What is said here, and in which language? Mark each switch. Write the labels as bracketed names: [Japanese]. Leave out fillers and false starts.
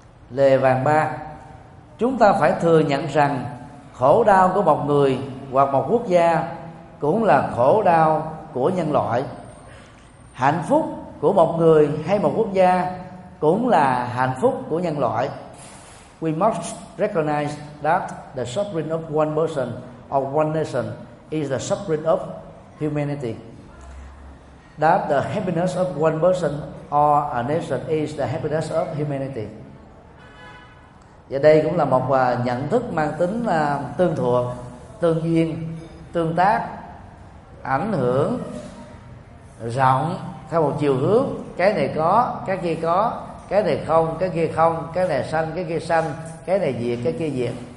[Vietnamese] Lề vàng ba, chúng ta phải thừa nhận rằng khổ đau của một người hoặc một quốc gia cũng là khổ đau của nhân loại. Hạnh phúc của một người hay một quốc gia cũng là hạnh phúc của nhân loại. [English] We must recognize that the suffering of one person or one nation is the suffering of humanity. That the happiness of one person or a nation is the happiness of humanity. [Vietnamese] Và đây cũng là một nhận thức mang tính tương thuộc, tương duyên, tương tác, ảnh hưởng rộng theo một chiều hướng. Cái này có, cái này không, cái này sanh, cái kia sanh, cái này diệt, cái kia diệt.